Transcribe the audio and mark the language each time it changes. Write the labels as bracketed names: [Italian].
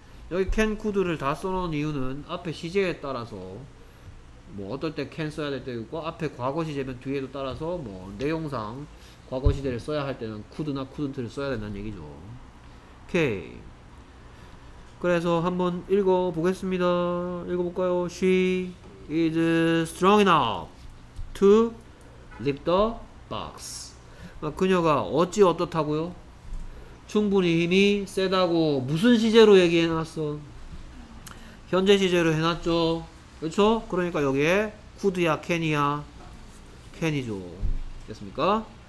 [Korean] 여기 can, could를 다 써놓은 이유는 앞에 시제에 따라서 뭐 어떨 때 can 써야 될 때도 있고 앞에 과거 시제면 뒤에도 따라서 뭐 내용상 과거 시제를 써야 할 때는 could나 couldn't를 써야 된다는 얘기죠. 오케이. 그래서 한번 읽어보겠습니다. 읽어볼까요? [English] She is strong enough to lift the box. [Korean] 그녀가 어찌 어떻다고요? 충분히 힘이 세다고 무슨 시제로 얘기해놨어? 현재 시제로 해놨죠. 그렇죠? 그러니까 여기에 could야 can이야? can이죠. 됐습니까?